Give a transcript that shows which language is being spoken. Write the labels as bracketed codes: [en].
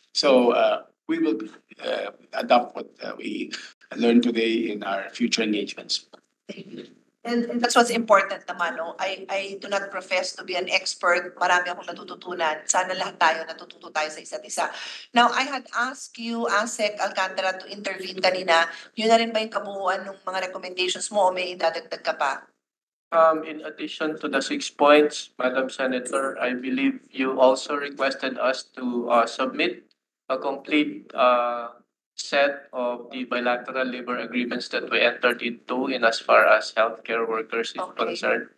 [en] So we will adopt what we learned today in our future engagements. And that's what's important [tl] naman, no? [en] I do not profess to be an expert. [tl] Marami akong natututunan. Sana lahat tayo natututo tayo sa isa't isa. [en] Now, I had asked you, ASEC Alcantara, to intervene [tl] kanina. Yun na rin ba yung kabuuan ng mga recommendations mo o may dadagdag ka pa? [en] In addition to the 6 points, Madam Senator, I believe you also requested us to submit a complete set of the bilateral labor agreements that we entered into in as far as healthcare workers is concerned.